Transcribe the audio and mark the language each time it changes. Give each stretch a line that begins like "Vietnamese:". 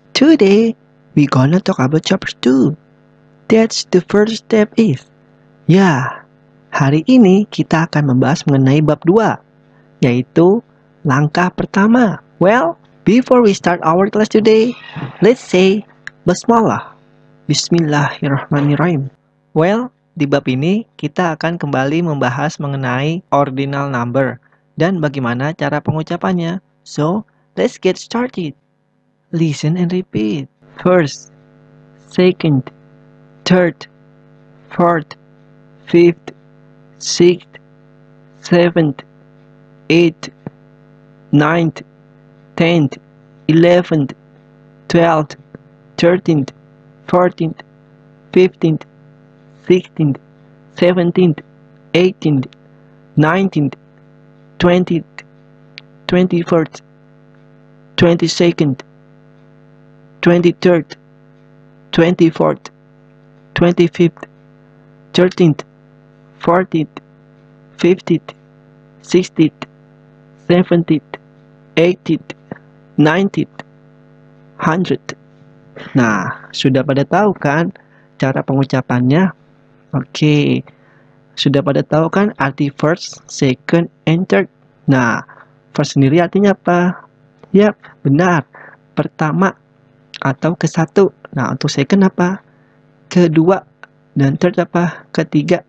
English: Today, we gonna talk about chapter 2. That's the first step is.
Indonesian: Yeah, hari ini kita akan membahas mengenai bab 2, yaitu langkah pertama.
English: Well, before we start our class today, let's say basmalah.
Indonesian: Bismillahirrahmanirrahim. Well, di bab ini, kita akan kembali membahas mengenai ordinal number dan bagaimana cara pengucapannya.
English: So, let's get started. Listen and repeat. First, second, third, fourth, fifth, sixth, seventh, eighth, ninth, tenth, 11th, 12th, 13th, 14th, 15th, 16th, 17th, 18th, 19th, 20th, 21st, 22nd, 23rd, 24th, 25th, 13th, 14th, 15th, 16th, 17th, 18th, 19th, 100th.
Indonesian: Nah, sudah pada tahu kan cara pengucapannya? Oke, sudah pada tahu kan arti
English: first, second, and third?
Indonesian: Nah, first sendiri artinya apa? Yap, benar. Pertama atau ke satu. Nah, untuk second apa? Kedua. Dan third apa? Ketiga.